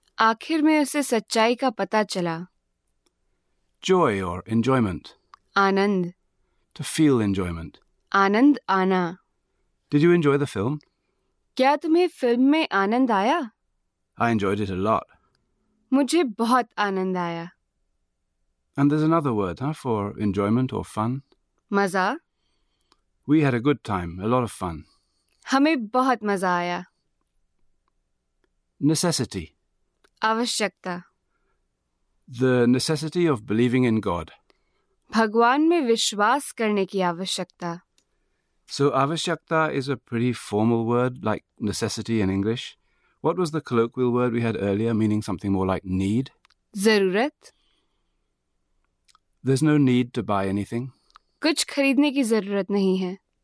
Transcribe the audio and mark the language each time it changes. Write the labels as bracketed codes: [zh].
[hi] आखिर में उसे सच्चाई का पता चला। [en] joy और enjoyment, [hi] Anand, [en] to feel enjoyment, [hi] आनंद आना। [en] Did you enjoy the film? [hi] क्या तुम्हें फिल्म में आनंद आया? [en] I enjoyed it a lot. [hi] मुझे बहुत आनंद आया। [en] And there's another word, huh, for enjoyment or fun? [hi] मजा। [en] We had a good time, a lot of fun. [hi] हमें बहुत मजा आया। [en] Necessity. [hi] आवश्यकता। [en] The necessity of believing in God. [hi] भगवान में विश्वास करने की आवश्यकता। [en] So आवश्यकता is a pretty formal word like necessity in English. What was the colloquial word we had earlier, meaning something more like need? [hi] जरूरत। [en] There's no need to buy anything. [hi] कुछ खरीदने की जरूरत नहीं है।